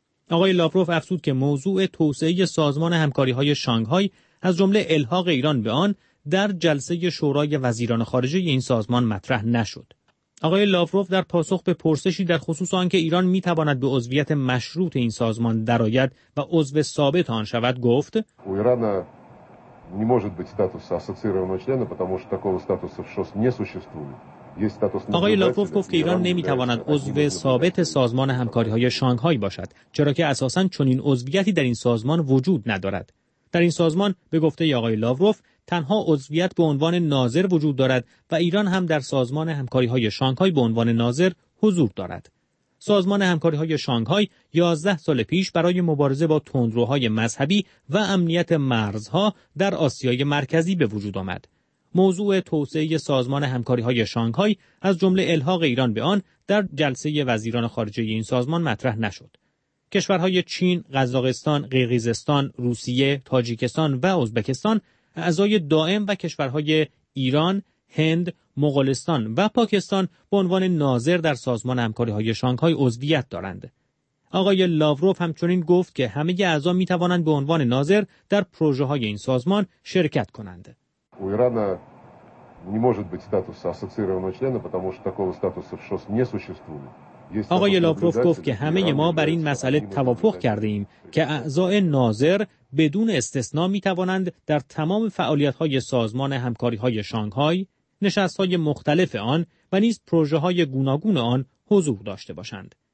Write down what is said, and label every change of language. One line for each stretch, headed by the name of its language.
Persian: آقای لاوروف افزود که موضوع توسعه سازمان همکاری‌های شانگهای از جمله الحاق ایران به آن در جلسه شورای وزیران خارجه این سازمان مطرح نشد. آقای لاوروف در پاسخ به پرسشی در خصوص آنکه ایران میتواند به عضویت مشروط این سازمان درآید و عضو ثابت آن شود گفت:
Russian: не может быть статуса ассоциированного члена, потому что такого статуса в ШОС не существует. Есть статус
Persian: آقای لاوروف گفت که ایران نمیتواند عضو ثابت سازمان همکاری های شانگهای باشد، چرا که اساساً چنین عضویتی در این سازمان وجود ندارد. در این سازمان به گفته آقای لاوروف تنها عضویت به عنوان ناظر وجود دارد و ایران هم در سازمان همکاری‌های شانگهای به عنوان ناظر حضور دارد. سازمان همکاری‌های شانگهای 11 سال پیش برای مبارزه با تندروهای مذهبی و امنیت مرزها در آسیای مرکزی به وجود آمد. موضوع توسعه سازمان همکاری‌های شانگهای از جمله الحاق ایران به آن در جلسه وزیران خارجه این سازمان مطرح نشد. کشورهای چین، قزاقستان، قرقیزستان، روسیه، تاجیکستان و ازبکستان اعضای دائم و کشورهای ایران، هند، مغولستان و پاکستان به عنوان ناظر در سازمان همکاری‌های شانگهای عضویت دارند. آقای لاوروف همچنین گفت که همه اعضا می توانند به عنوان ناظر در پروژه‌های این سازمان شرکت کنند.
Russian: У Ирана не может быть статуса ассоциированного члена, потому что такого статуса в ШОС не существует.
Persian: آقای لاوروف گفت که همه ما بر این مسئله توافق کرده ایم که اعضای ناظر بدون استثنا می توانند در تمام فعالیت های سازمان همکاری های شانگهای، نشست های مختلف آن و نیز پروژه های گوناگون آن حضور داشته باشند.